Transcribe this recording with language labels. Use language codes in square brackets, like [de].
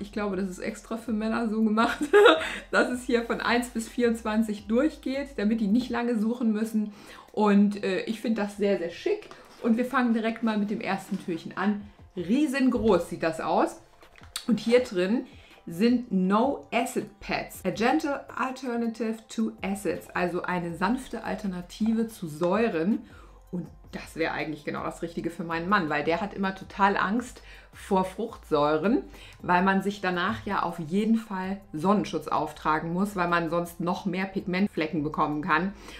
[de] Ich glaube, das ist extra für Männer so gemacht, dass es hier von 1 bis 24 durchgeht, damit die nicht lange suchen müssen. Und ich finde das sehr, sehr schick. Und wir fangen direkt mal mit dem ersten Türchen an. Riesengroß sieht das aus. Und hier drin sind No Acid Pads. [en] A gentle alternative to acids. [de] Also eine sanfte Alternative zu Säuren. Und das wäre eigentlich genau das Richtige für meinen Mann, weil der hat immer total Angst vor Fruchtsäuren, weil man sich danach ja auf jeden Fall Sonnenschutz auftragen muss, weil man sonst noch mehr Pigmentflecken bekommen kann.